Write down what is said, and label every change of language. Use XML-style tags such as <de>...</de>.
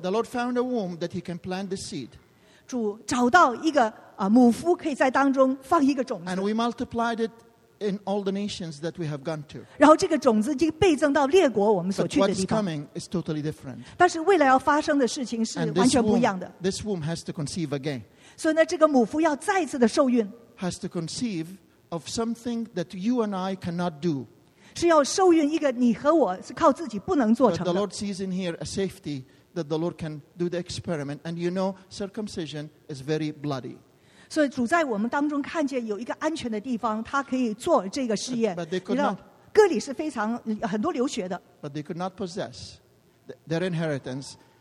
<en>the Lord found a womb that he can plant the seed.</en> <zh>主找到一个母夫可以在当中放一个种子。</zh> <en>And we multiplied it in all the nations that we have gone to.</en> <zh>然后这个种子已经倍增到列国我们所去的地方。</zh> <en>But what's coming is totally different.</en> <zh>但是未来要发生的事情是完全不一样的。</zh> <en>This womb has to conceive again.</en> <zh>所以呢，这个母腹要再次的受孕。</zh> <en>Has to conceive a of something that you and I cannot do. But the Lord sees in here a safety that the Lord can do the experiment. And you know, circumcision is very bloody. But they could not possess their inheritance.</en>